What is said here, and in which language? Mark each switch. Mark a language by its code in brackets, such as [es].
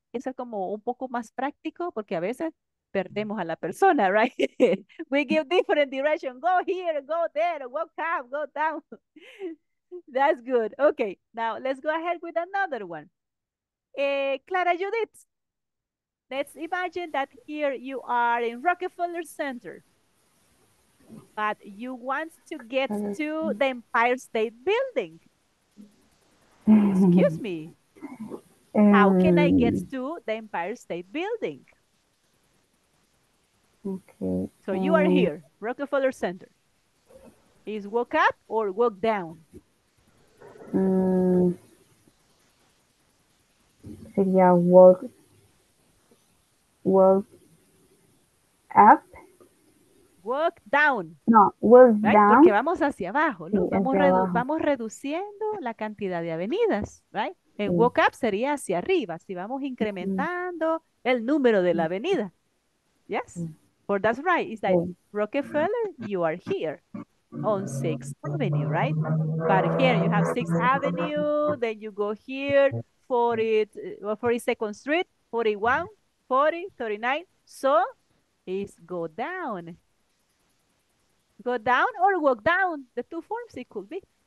[es] Es como un poco más práctico porque a veces perdemos a la persona, right? [en] We give different direction. Go here, go there, walk up, go down. That's good. Okay, now let's go ahead with another one. Clara Judith, let's imagine that here you are in Rockefeller Center, but you want to get to the Empire State Building. Excuse me. How can I get to the Empire State Building? Okay. So you are here, Rockefeller Center. Is walk up or walk down? [es] Sería [en] walk up. Walk down. No, walk right? down. [es] Porque vamos hacia abajo, ¿no? Sí, vamos reduciendo la cantidad de avenidas, right? En walk up sería hacia arriba, si vamos incrementando el número de la avenida. [en] Yes, for that's right. It's like Rockefeller, you are here on 6th Avenue, right? But here you have 6th Avenue, then you go here, 42nd Street, 41, 40, 39. So it's go down. Go down or walk down, the two forms it could be.